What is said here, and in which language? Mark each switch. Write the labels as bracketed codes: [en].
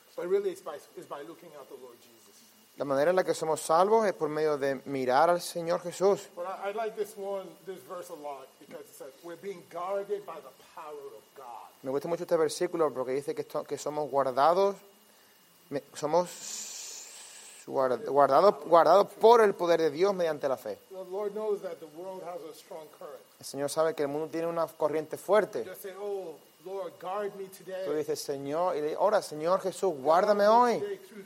[en] But really, it's by looking at the Lord Jesus. [es] La manera en la que somos salvos es por medio de mirar al Señor Jesús. [en] I like this verse a lot because it says we're being guarded by the power of God. [es] Me gusta mucho este versículo porque dice que somos guardados, somos guardados por el poder de Dios mediante la fe. [en] The Lord knows that the world has a strong current. [es] El Señor sabe que el mundo tiene una corriente fuerte. [en] Just say, oh, Lord, guard me today. [es] Tú dices, Señor, y le, ora, Señor Jesús, guárdame hoy.